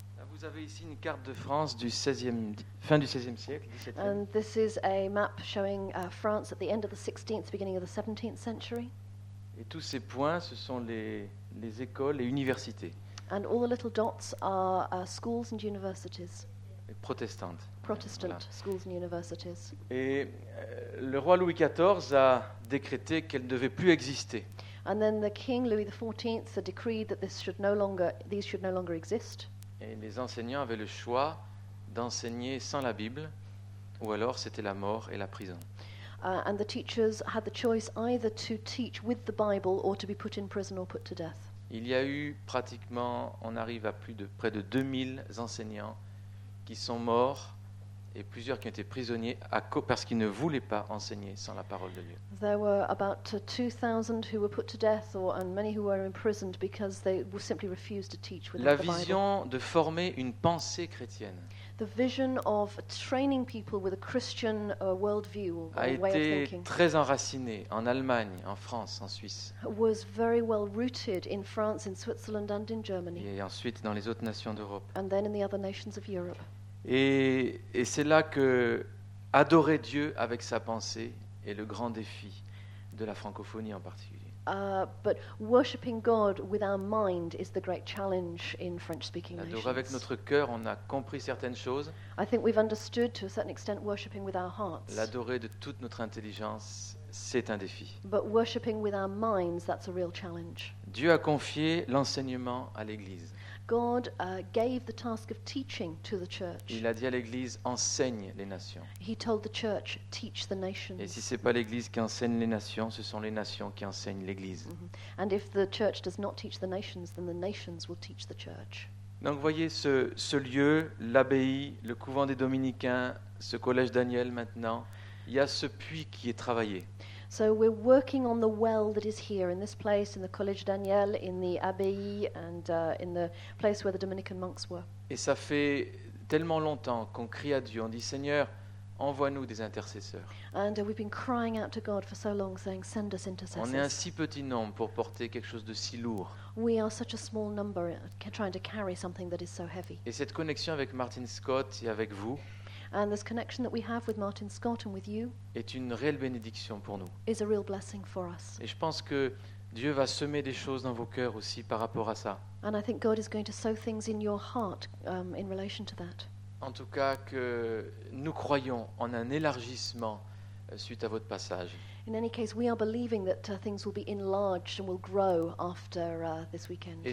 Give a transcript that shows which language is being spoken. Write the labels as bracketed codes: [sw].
[fr] Vous avez ici une carte de France du 16e, fin du 16e siècle, 17e. [en] And this is a map showing France at the end of the 16th, beginning of the 17th century. [fr] Et tous ces points, ce sont les écoles et universités. [en] And all the little dots are schools and universities. [fr] Protestantes. [en] Protestant voilà. Schools and universities. [fr] Et le roi Louis XIV a décrété qu'elle ne devait plus exister. [en] And then the king Louis XIV had decreed that these should no longer exist. [fr] Et les enseignants avaient le choix d'enseigner sans la Bible, ou alors c'était la mort et la prison. [en] And the teachers had the choice either to teach with the Bible or to be put in prison or put to death. [fr] Il y a eu pratiquement, on arrive à près de 2000 enseignants qui sont morts et plusieurs qui ont été prisonniers parce qu'ils ne voulaient pas enseigner sans la parole de Dieu. [en] There were about 2000 who were put to death and many who were imprisoned because they simply refused to teach with the Bible. [fr] La vision de former une pensée chrétienne. [en] The vision of training people with a Christian world view or way of thinking. [fr] A été très enracinée en Allemagne, en France, en Suisse. [en] Was very well rooted in France, in Switzerland and in Germany. [fr] Et ensuite dans les autres nations d'Europe. [en] And then in the other nations of Europe. [fr] Et c'est là que adorer Dieu avec sa pensée est le grand défi de la francophonie en particulier. [en] But worshiping God with our mind is the great challenge in French-speaking nations. [fr] Adorer avec notre cœur, on a compris certaines choses. [en] I think we've understood to a certain extent worshiping with our hearts. [fr] L'adorer de toute notre intelligence, c'est un défi. [en] But worshiping with our minds, that's a real challenge. [fr] Dieu a confié l'enseignement à l'Église. [en] God gave the task of teaching to the church. [fr] Il a dit à l'Église, enseigne les nations. [en] He told the church, teach the nations. [fr] Et si c'est pas l'Église qui enseigne les nations, ce sont les nations qui enseignent l'Église. Mm-hmm. [en] And if the church does not teach the nations, then the nations will teach the church. [fr] Donc voyez ce lieu, l'abbaye, le couvent des Dominicains, ce collège Daniel maintenant, il y a ce puits qui est travaillé. [en] So we're working on the well that is here in this place, in the College Daniel, in the Abbey, and in the place where the Dominican monks were. [fr] Et ça fait tellement longtemps qu'on crie à Dieu, on dit Seigneur, envoie-nous des intercesseurs. [en] And we've been crying out to God for so long, saying, send us intercessors. [fr] On est un si petit nombre pour porter quelque chose de si lourd. [en] We are such a small number trying to carry something that is so heavy. [fr] Et cette connexion avec Martin Scott et avec vous. [en] And this connection that we have with Martin Scott and with you [fr] est une réelle bénédiction pour nous. [en] Is a real blessing for us. [fr] Et je pense que Dieu va semer des choses dans vos cœurs aussi par rapport à ça. [en] And I think God is going to sow things in your heart in relation to that. [fr] En tout cas, que nous croyons en un élargissement suite à votre passage. [en] In any case, we are believing that things will be enlarged and will grow after this weekend.